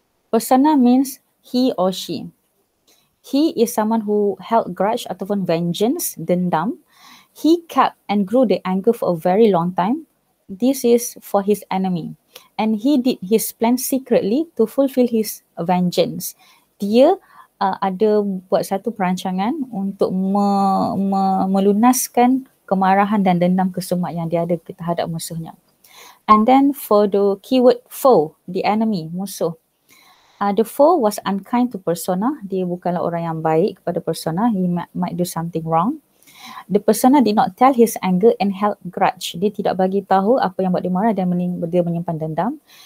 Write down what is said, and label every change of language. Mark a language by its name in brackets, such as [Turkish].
[English] Persona means he or she. He is someone who held grudge ataupun vengeance, dendam. He kept and grew the anger for a very long time. This is for his enemy. And he did his plan secretly to fulfill his vengeance. [Malay] Dia ada buat satu perancangan untuk melunaskan kemarahan dan dendam kesumat yang dia ada terhadap musuhnya. [English] And then for the keyword foe, the enemy, musuh. The foe was unkind to persona. [Malay] Dia bukanlah orang yang baik kepada persona. [English] He might do something wrong. The persona did not tell his anger and held grudge. [Malay] Dia tidak bagi tahu apa yang buat dia marah dan dia menyimpan dendam.